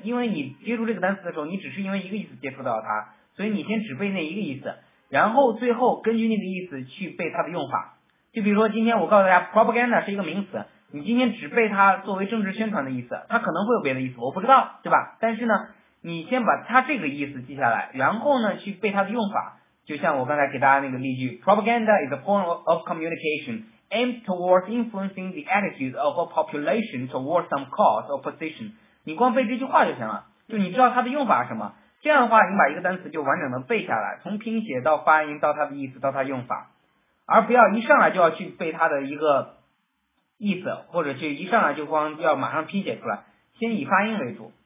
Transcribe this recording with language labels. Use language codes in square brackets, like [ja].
[zh] 因为你接触这个单词的时候，你只是因为一个意思接触到它，所以你先只背那一个意思，然后最后根据那个意思去背它的用法。就比如说今天我告诉大家 propaganda 是一个名词，你今天只背它作为政治宣传的意思，它可能会有别的意思，我不知道，对吧？但是呢，你先把它这个意思记下来，然后呢去背它的用法。 [en] 就像我刚才给大家那个例句， propaganda is a form of communication aimed towards influencing the attitude of a population towards some cause or position。 [zh] 你光背这句话就行了，就你知道它的用法是什么，这样的话你把一个单词就完整的背下来，从拼写到发音到它的意思到它的用法，而不要一上来就要去背它的一个意思，或者去一上来就光要马上拼写出来，先以发音为主。